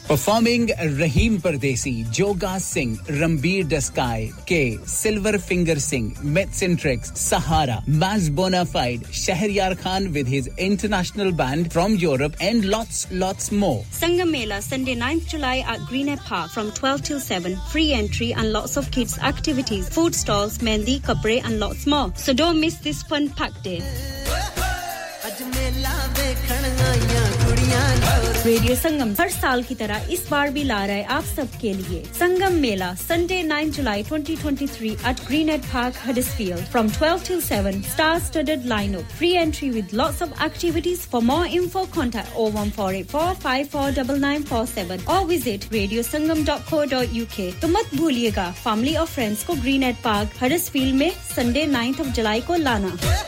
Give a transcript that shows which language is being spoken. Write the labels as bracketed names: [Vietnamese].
[English] Performing Rahim Pardesi, Joga Singh, Ranbir डस्काय के, silver finger Singh, myths and tricks, Sahara, मैज bonafide, Shahryar Khan with his international band from Europe and lots more. Sangam Mela Sunday 9 July at Greenhead park from 12 till 7, free entry and lots of kids activities, food stalls, mehndi, kapde and lots more. So don't miss this fun packed day. [Hindi] Radio संगम हर साल की तरह इस बार भी ला रहा है आप सब के लिए [English] Sangam Mela Sunday 9 July 2023 at Greenhead park Huddersfield from 12 till 7 star studded lineup free entry with lots of activities for more info contact 01484549947 और visit radiosangam.co.uk [Hindi] तो मत भूलिएगा फैमिली और फ्रेंड्स को ग्रीनहेड पार्क हडर्सफील्ड में संडे 9th ऑफ जुलाई को लाना।